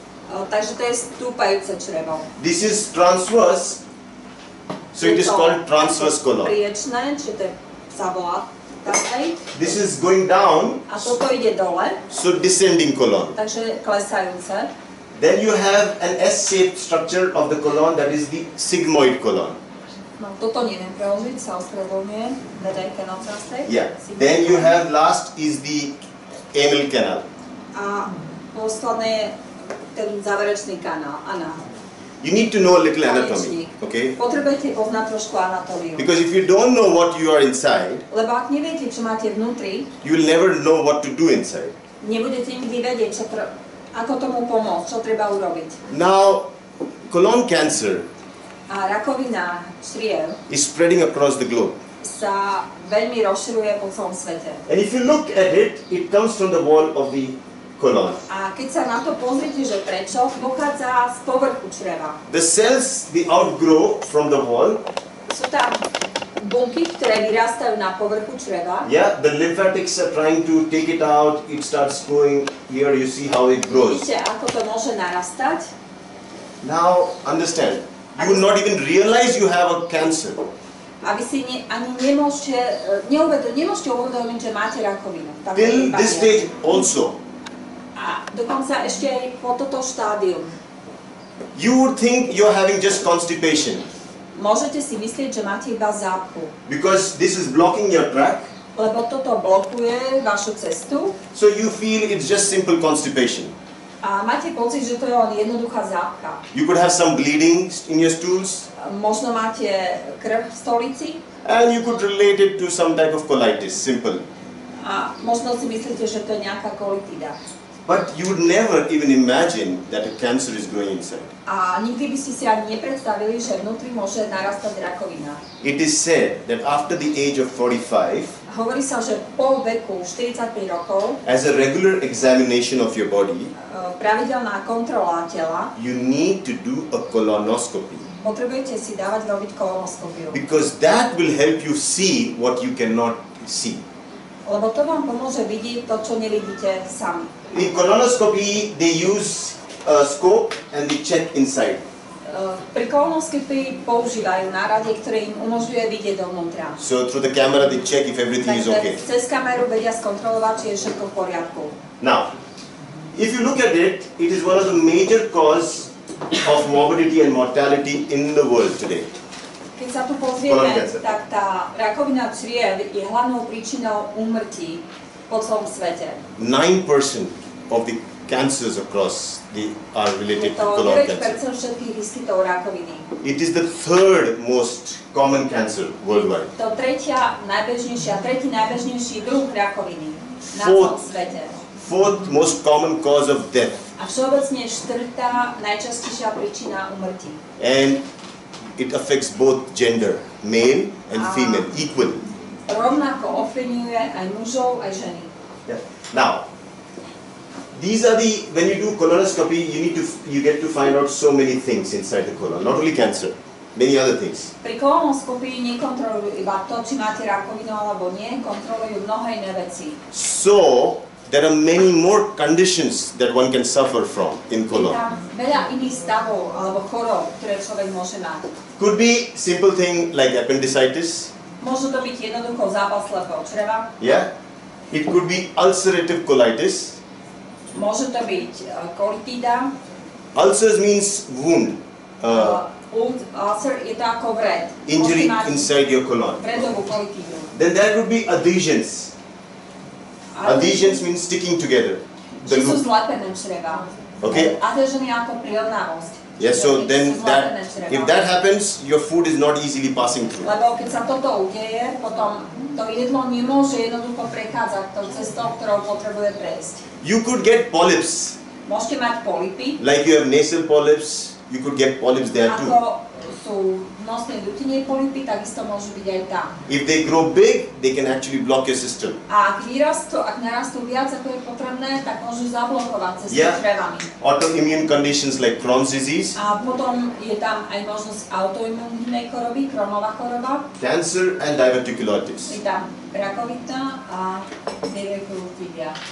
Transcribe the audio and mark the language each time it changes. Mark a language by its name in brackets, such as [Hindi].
[Slovak] Takže to je stúpajúce črevo. [English] This is transverse, so it is called transverse colon. [Slovak] Priečné, čiže to sa volá tasej. [English] This is going down. [Slovak] A toto ide dole. [English] So descending colon. [Slovak] Takže klesajúce. [English] Then you have an S-shaped structure of the colon, that is the sigmoid colon. [Slovak] Toto neviem preložiť, sa ospravedlňujem. Nedajke na tasej. [English] Yeah. Then you have last is the anal canal. [Slovak] A posledné je ten záverečný kanál, [English] anál. You need to know a little anatomy, okay? [Slovak] Potrebujete poznať trošku anatómiu. [English] Because if you don't know what you are inside, [Slovak] lebo ak neviete, čo máte vnútri, [English] you will never know what to do inside. [Slovak] Nebudete nikdy vedieť, ako tomu pomôcť, čo treba urobiť. [English] Now, colon cancer, [Slovak] a rakovina čriev, [English] is spreading across the globe. [Slovak] Sa veľmi rozširuje po celom svete. [English] And if you look at it, it comes from the wall of the colon. [Slovak] A keď sa na to pozrite, že prečo, pochádza z povrchu čreva. [English] The cells, they outgrow from the wall. [Slovak] Sú tam bunky, ktoré vyrastajú na povrchu čreva. [English] Yeah, the lymphatics are trying to take it out, it starts growing, here you see how it grows. [Slovak] Vidíte, ako to môže narastať? [English] Now, understand, you will not even realize you have a cancer. [Slovak] A vy si ani nemôžete uvedomiť, že máte rakovinu. [English] Till this stage also. [Slovak] A dokonca ešte aj po toto štádium. [English] You would think you are having just constipation. [Slovak] Môžete si myslieť, že máte iba zápchu. [English] Because this is blocking your track. [Slovak] Lebo toto blokuje vašu cestu. [English] So you feel it's just simple constipation. [Slovak] A máte pocit, že to je len jednoduchá zápcha. [English] You could have some bleeding in your stools. [Slovak] Možno máte krv v stolici. [English] And you could relate it to some type of colitis, simple. [Slovak] A možno si myslíte, že to je nejaká kolitida. [English] But you would never even imagine that a cancer is growing inside. [Slovak] A nikdy by ste si ani nepredstavili, že vnútri môže narastať rakovina. [English] It is said that after the age of 45, [Slovak] hovorí sa, že po veku 45 rokov, [English] as a regular examination of your body, [Slovak] pravidelná kontrola tela, [English] you need to do a colonoscopy. [Slovak] Potrebujete si dávať robiť kolonoskopiu. [English] Because that will help you see what you cannot see. [Slovak] Lebo to vám pomôže vidieť to, čo nevidíte sami. [English] In colonoscopy, they use a scope and they check inside. [Slovak] Pri kolonoskopy používajú náradie, ktoré im umožňuje vidieť dovnútra. [English] So through the camera they check if everything is okay. [Slovak] Cez kameru vedia skontrolovať, či je všetko v poriadku. [English] Now, if you look at it, it is one of the major cause of morbidity and mortality in the world today. [Slovak] Keď sa tu pozrieme, tak tá rakovina čriev je hlavnou príčinou úmrtí po celom svete. [English] 9% of the cancers across the are related to colon cancer. [Slovak] Je to 9% všetkých výskytov rakoviny. [English] It is the third most common cancer worldwide. [Slovak] To tretí najbežnejší druh rakoviny na celom svete. [English] Fourth most common cause of death. [Slovak] A všeobecne štvrtá najčastejšia príčina úmrtí. [English] And it affects both gender, male and female, equally. [Slovak] Rovnako ovplyvňuje aj mužov, aj ženy. [English] Yeah. Now, these are the, when you do colonoscopy, you get to find out so many things inside the colon, not only cancer, many other things. [Slovak] Pri kolonoskopii nekontrolujú iba to, či máte rakovinu alebo nie, kontrolujú mnohé iné veci. [English] So, there are many more conditions that one can suffer from in colon. [Slovak] Veľa iných stavov alebo chorov, ktoré človek môže mať. [English] Could be simple thing like appendicitis. [Slovak] Môže to byť jednoducho zápal slepého čreva. [English] Yeah. It could be ulcerative colitis. [Slovak] Môže to byť colitida. [English] Ulcers means wound. [Slovak] Ulcer je to ako vred. [English] Injury inside your colon. [Slovak] Vredovú colitidu. [English] Then there could be adhesions. Adhesions means sticking together. The loop. [Slovak] Sú zlepené čreva. [English] Okay. [Slovak] Adhesiony ako prilnavosť. [English] Yes, so then that, if that happens, your food is not easily passing through. [Slovak] Lebo keď sa toto udeje, potom to jedlo nemôže jednoducho prechádzať tou cestou, ktorou potrebuje prejsť. [English] You could get polyps. [Slovak] Môžete mať polypy. [English] Like you have nasal polyps, you could get polyps there too. [Slovak] Ako sú nosné dutinie polypy, takisto môžu byť aj tam. [English] If they grow big, they can actually block your system. [Slovak] A ak narastú viac, ako je potrebné, tak môžu zablokovať cestu črevami. [English] Yeah. Autoimmune conditions like Crohn's disease. [Slovak] A potom je tam aj možnosť autoimmunnej choroby, Crohnova choroba. [English] Cancer and diverticulitis. [Slovak] Je tam rakovina a diverticulitidia.